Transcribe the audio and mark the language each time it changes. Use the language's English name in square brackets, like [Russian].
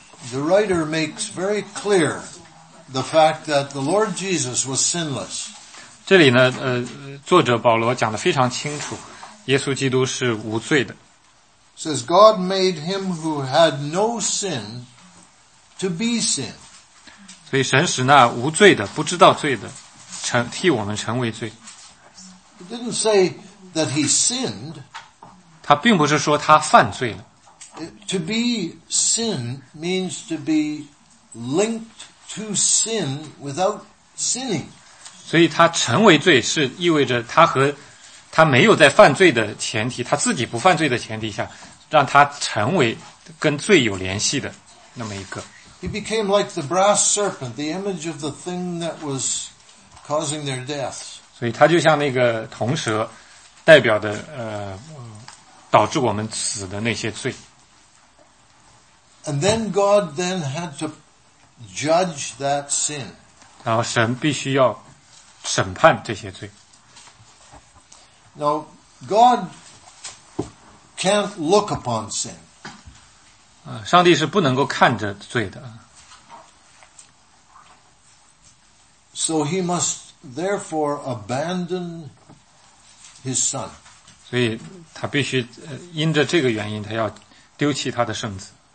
[English] The writer makes very clear the fact that the Lord Jesus was sinless. [Chinese] 这里呢，作者保罗讲得非常清楚，耶稣基督是无罪的。 [English] Says God made him who had no sin to be sin. [Chinese] 所以神使那无罪的、不知道罪的，替我们成为罪。 [English] It didn't say that he sinned. [Chinese] 他并不是说他犯罪了。 [English] To be sin means to be linked to sin without sinning. [Chinese] 所以他成为罪是意味着他和他没有在犯罪的前提，他自己不犯罪的前提下，让他成为跟罪有联系的那么一个。 [English] He became like the brass serpent, the image of the thing that was causing their death. [Chinese] 所以他就像那个铜蛇代表的导致我们死的那些罪。 [English] And then God then had to judge that sin. [Chinese] 然后神必须要审判这些罪。 [English] Now, God can't look upon sin. [Chinese] 上帝是不能够看着罪的。 [English] So he must therefore abandon his son. [Chinese] 所以他必须因着这个原因他要丢弃他的圣子。